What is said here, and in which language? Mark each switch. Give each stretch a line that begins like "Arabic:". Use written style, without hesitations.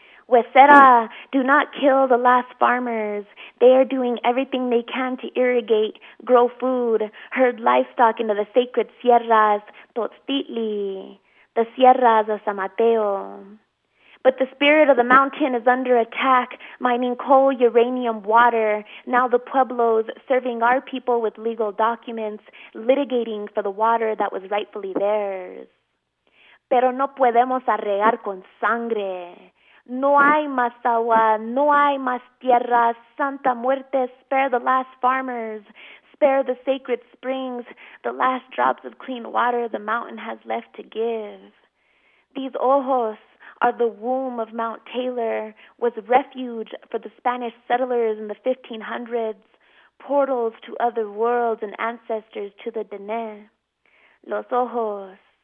English: Huesera, do not kill the last farmers. They are doing everything they can to irrigate, grow food, herd livestock into the sacred sierras, Totztitli, the sierras of San Mateo. But the spirit of the mountain is under attack, mining coal, uranium, water. Now the pueblos serving our people with legal documents, litigating for the water that was rightfully theirs.
Spanish: Pero no podemos arreglar con sangre. No hay más agua, no hay más tierra.
English: Santa Muerte, spare the last farmers, spare the sacred springs, the last drops of clean water the mountain has left to give. These ojos are the womb of Mount Taylor, was refuge for the Spanish settlers in the 1500s, portals to other worlds and ancestors to the Diné.
Spanish: Los ojos.